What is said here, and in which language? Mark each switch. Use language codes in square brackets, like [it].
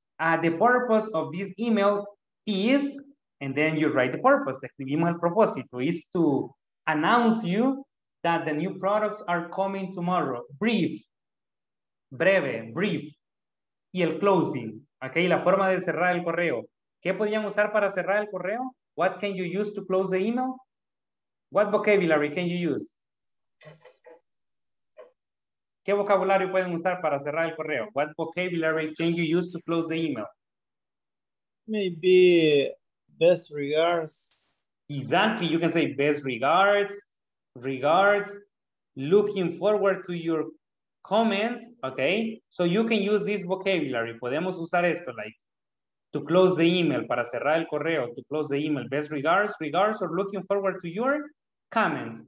[en] The purpose of this email is, and then you write the purpose, [es] escribimos el propósito, [en] is to announce you that the new products are coming tomorrow. [es] Brief, breve, brief. Y el closing, okay, la forma de cerrar el correo. ¿Qué podrían usar para cerrar el correo? [en] What can you use to close the email? What vocabulary can you use? [es] ¿Qué vocabulario pueden usar para cerrar el correo? [en] What vocabulary can you use to close the email? Maybe best regards. Exactly, you can say best regards, regards, looking forward to your comments, okay? So you can use this vocabulary. [es] Podemos usar esto, [en] like, to close the email, [es] para cerrar el correo, [en] to close the email, best regards, regards, or looking forward to your comments.